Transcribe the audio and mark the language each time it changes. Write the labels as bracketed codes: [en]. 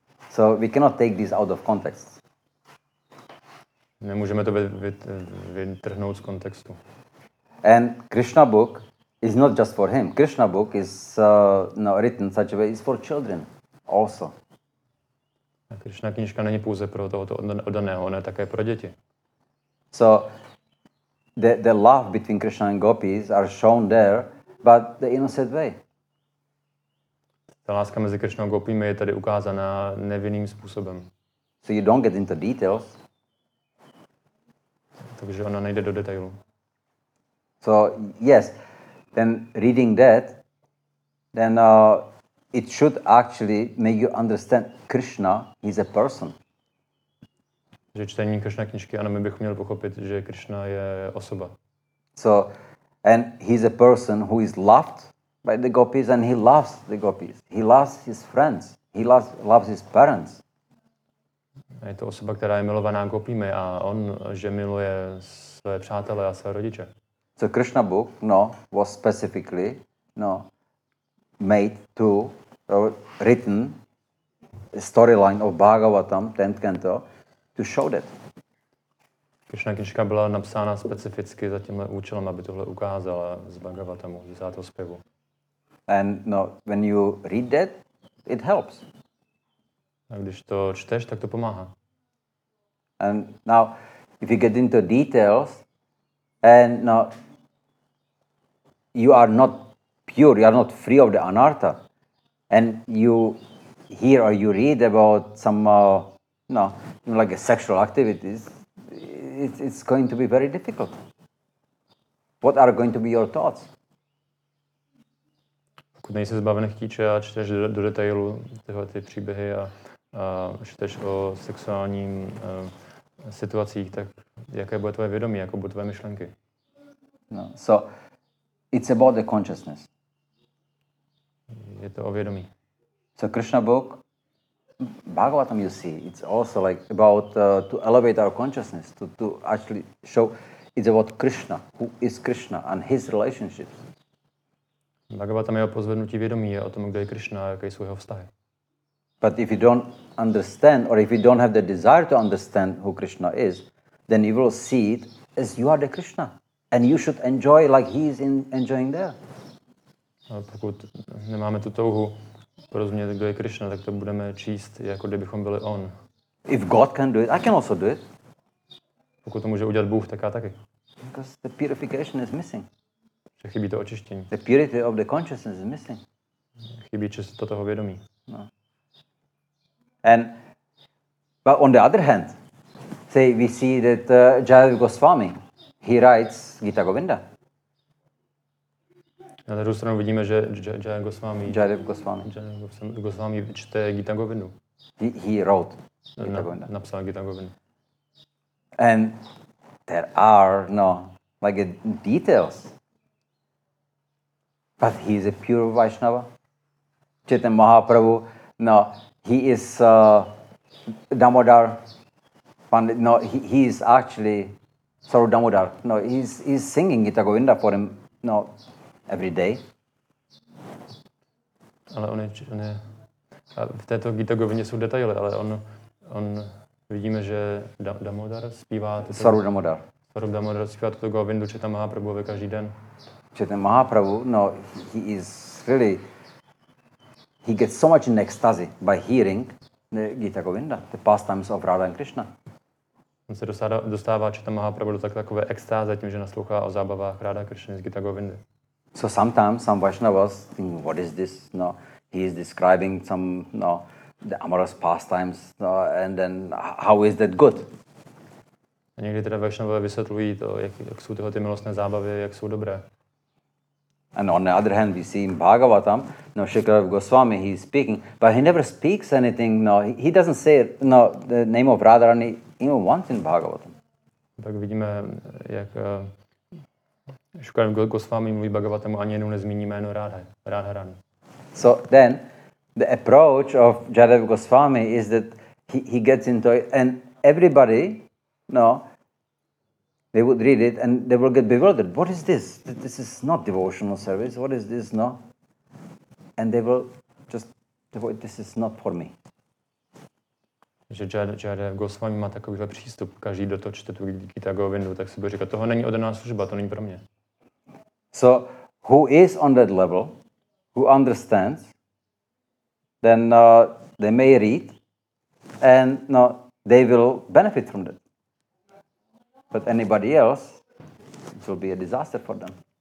[en] So we cannot take this out of context. [cs] Nemůžeme to vytrhnout z kontextu. [en] And Krishna book is not just for him. Krishna book is written such a way is for children also. [cs] A Krishna knižka není pouze pro tohoto oddaného, ona je také pro děti. [en] So the love between Krishna and gopis are shown there, but the innocent way. [cs] Ta láska mezi Krishnou a gopími je tady ukázaná nevinným způsobem. [en] So you don't get into details. [cs] Takže ona nejde do detailu. [en] So yes, then reading that, then it should actually make you understand Krishna is a person. [cs] Že čtení Krishna knížky, ano, my bychom měli pochopit, že Krishna je osoba. [en] So and he's a person who is loved by the gopis and he loves the gopis. He loves his friends. He loves his parents. [cs] Je to osoba, která je milovaná gopími a on, že miluje své přátele a své rodiče. [en] So Krishna book, was specifically, made to, written storyline of Bhagavatam, 10th canto, to show that. [cs] Krishna knižka byla napsána specificky za tímhle účelem, aby tohle ukázala z Bhagavatamu, z 10. zpěvu. [en] And when you read that, it helps. [cs] A když to čteš, tak to pomáhá. [en] And now, if you get into details, and you are not pure, you are not free of the anartha, and you hear or you read about some, like a sexual activities, it's going to be very difficult. What are going to be your thoughts? [cs] Pokud nejsi zbaven chtíče a čteš do detailu tyhle ty příběhy a čteš o sexuálním situacích, tak jaké bude tvoje vědomí, jako budou tvoje myšlenky? [en] So it's about the consciousness. [cs] Je to o vědomí. [en] So Krishna book, Bhagavatam you see, it's also like about to elevate our consciousness, to actually show it's about Krishna, who is Krishna and his relationships. [cs] Bhagavatam je o pozvednutí vědomí, je o tom, kde je Krishna a jaké jsou jeho vztahy. [en] But if you don't understand or if you don't have the desire to understand who Krishna is, then you will see it as you are the Krishna and you should enjoy like he is enjoying there. [cs] Pokud nemáme tu touhu porozumět, kdo je Krishna, tak to budeme číst, jako kdybychom byli on. [en] If God can do it, I can also do it. [cs] Pokud to může udělat Bůh, tak já taky. [en] Because the purification is missing. [cs] Že chybí to očištění. [en] The purity of the consciousness is missing. [cs] Chybí čistota toho vědomí. [en] But on the other hand, say we see that Jayadeva Goswami, he writes Gita Govinda. [cs] Na druhou stranu vidíme, že Jayadeva Goswami. Jayadeva Goswami. Jayadeva Goswami čte Gita Govindu. [en] He wrote Gita Govinda. [cs] Napsal Gita Govindu. [en] And there are details. But he is a pure Vaishnava. Chaitanya Mahaprabhu, he is Damodar Pandit. He is actually Sarva Damodar. He's singing Gita Govinda for him Not every day. [cs] Ale on je, a v této Gita Govindě jsou detaily, ale on vidíme, že Damodar zpívá... Svarup Damodar. Svarup Damodar zpívá toto Govindu, že tam Mahaprabhu ve každý den. Že ten Mahaprabhu, no, [en] he is really... He gets so much in ecstasy by hearing the Gita Govinda, the pastimes of Radha and Krishna. [cs] On se dostává Chaitanya Mahaprabhu do takové extáze tím, že naslouchá o zábavách Radha Krishna z Gita Govindy. [en] So sometimes some Vaishnavas think, what is this? No, he is describing some, no, the amorous pastimes, no, and then how is that good? [cs] A někdy teda Vaishnavové vysvětlují to, jak jsou tyhle ty milostné zábavy, jak jsou dobré. [en] And on the other hand, we see in Bhagavatam, no, Shri Krishna Goswami, he is speaking, but he never speaks anything. No, he doesn't say, no, the name of Radharani even once in Bhagavatam. [cs] Tak vidíme, jak Shri Krishna Goswami mluví Bhagavatam, ani jednou nezmíní jméno Radharani. [en] So then, the approach of Jadav Goswami is that he gets into it, and everybody, no. They would read it and they will get bewildered. What is this? This is not devotional service. What is this? No. And they will just, this is not for me. [cs] Že Jadav Goswami má takovýhle přístup. Každý, kdo to čte tu Gita Govindu, tak si bude říkat, toho není odaná služba, to není pro mě. [en] So, who is on that level, who understands, then they may read and no, they will benefit from that. But anybody else, it will be a disaster for them.